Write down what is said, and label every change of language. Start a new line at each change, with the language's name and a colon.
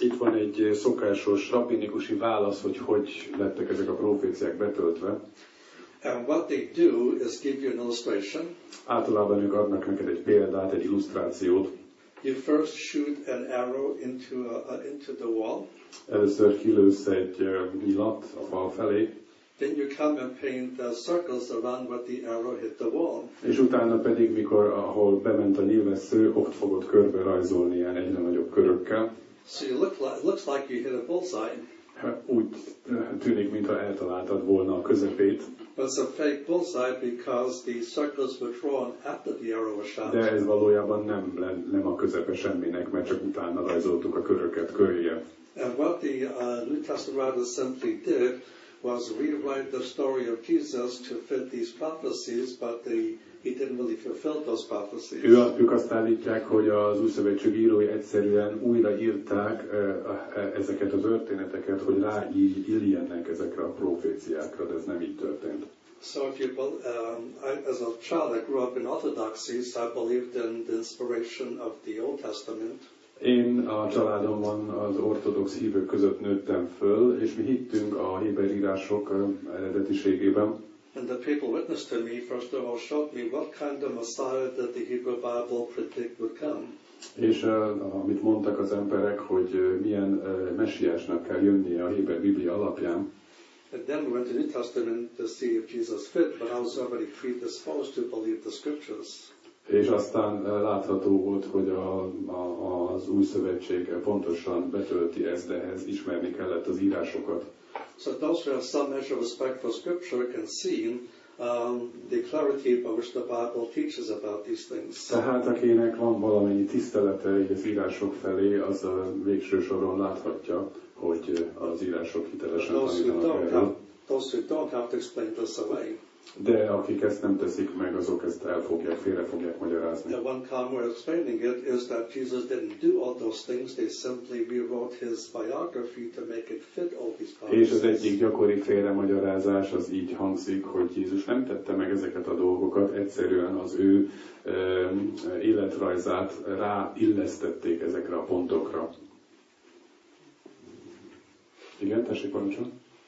Hungarian: Itt van egy szokásos rabbinikusi válasz, hogy lettek ezek a proféciák betöltve.
English: And what they do is give you an illustration.
Hungarian: Általában ők adnak neked egy példát, egy illusztrációt.
English: You first shoot an arrow into the wall.
Hungarian: Először kilősz egy nyilat a fal felé.
English: Then you come and paint the circles around where the arrow hit the wall.
Hungarian: És utána pedig, mikor ahol bement a nyilvessző, ott fogod körbe rajzolni ilyen egyre nagyobb körökkel.
English: So you looks like you hit a bullseye.
Hungarian: Úgy tűnik, mintha eltaláltad volna a közepét.
English: It's a fake bullseye because the circles were drawn after the arrow was shot.
Hungarian: De ez valójában nem a közepe semminek, mert csak utána rajzoltuk a köröket körje.
English: And what the New Testament writers simply did was rewrite the story of Jesus to fit these prophecies, but he didn't really fulfill those prophecies.
Hungarian: Ők azt állítják, hogy az Új Szövetség írói egyszerűen újraírták ezeket a történeteket, hogy rá illjenek ezekre a proféciákra, de ez nem így történt.
English: So if you as a child I grew up in orthodoxy, so I believed in the inspiration of the Old Testament.
Hungarian: Én a családomban az ortodox hívők között nőttem föl, és mi hittünk a héber írások eredetiségében.
English: And the people witnessed to me, first of all, showed me what kind of Messiah that the Hebrew Bible predicted would come.
Hungarian: És amit mondtak az emberek, hogy milyen messiásnak kell jönnie a héber Biblia alapján.
English: And then we went to the New Testament to see if Jesus fit, but how somebody predisposed to believe the scriptures.
Hungarian: És aztán látható volt, hogy az Új Szövetség pontosan betölti ezt, de ehhez ismerni kellett az írásokat.
English: So those who have some measure of respect for scripture can see the clarity by which the Bible teaches about these things.
Hungarian: Tehát akinek van valamennyi tisztelete az írások felé, az a végső soron láthatja, hogy az írások hitelesen tanítanak erről.
English: Those who don't have to explain this away.
Hungarian: De akik ezt nem teszik meg, azok ezt elfogják, félre fogják magyarázni.
English: The one calm way of explaining it is that Jesus didn't do all those things, they simply rewrote his biography to make it fit all these promises.
Hungarian: És az egyik gyakori félre magyarázás az így hangzik, hogy Jézus nem tette meg ezeket a dolgokat, egyszerűen az ő életrajzát ráillesztették ezekre a pontokra. Igen, tessék, parancsoljon.